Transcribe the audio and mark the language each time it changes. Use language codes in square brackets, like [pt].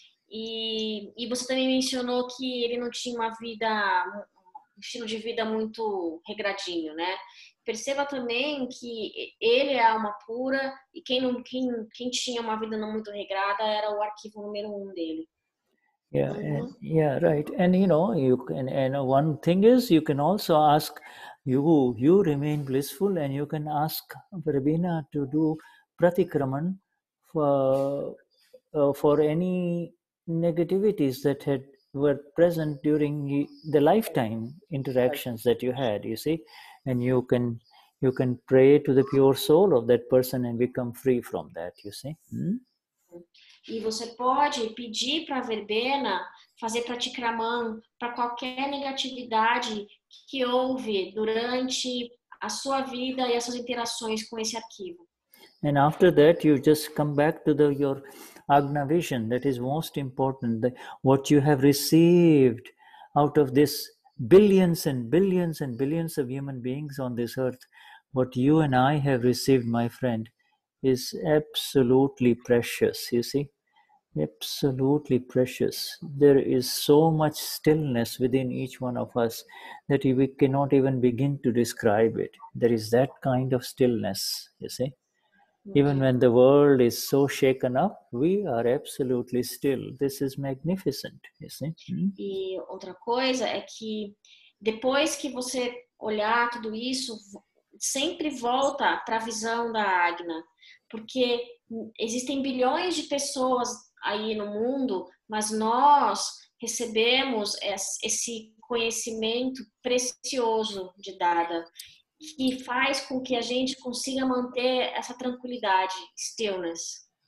[pt] E você também mencionou que ele não tinha uma vida, um estilo de vida muito regradinho, né? Perceba também que ele é a alma pura e quem tinha uma vida não muito regrada era o arquivo número um dele. [en] Yeah, right. And you know, you can, and one thing is, you can also ask, you remain blissful and you can ask Verbena to do pratikraman for any negativities that were present during the lifetime interactions that you had, you see. And you can pray to the pure soul of that person and become free from that, you see. [pt] E você pode pedir para Verbena fazer pratikraman para qualquer negatividade que houve durante a sua vida e as suas interações com esse arquivo. [en] And after that you just come back to the your Agna vision, that is most important, that what you have received out of this billions and billions and billions of human beings on this earth, what you and I have received, my friend, is absolutely precious, you see, absolutely precious. There is so much stillness within each one of us that we cannot even begin to describe it. There is that kind of stillness, you see. Even when the world is so shaken up, we are absolutely still. This is magnificent, isn't it? [pt] E outra coisa é que depois que você olhar tudo isso, sempre volta para a visão da Agna, porque existem bilhões de pessoas aí no mundo, mas nós recebemos esse conhecimento precioso de Dada, que faz com que a gente consiga manter essa tranquilidade, stillness.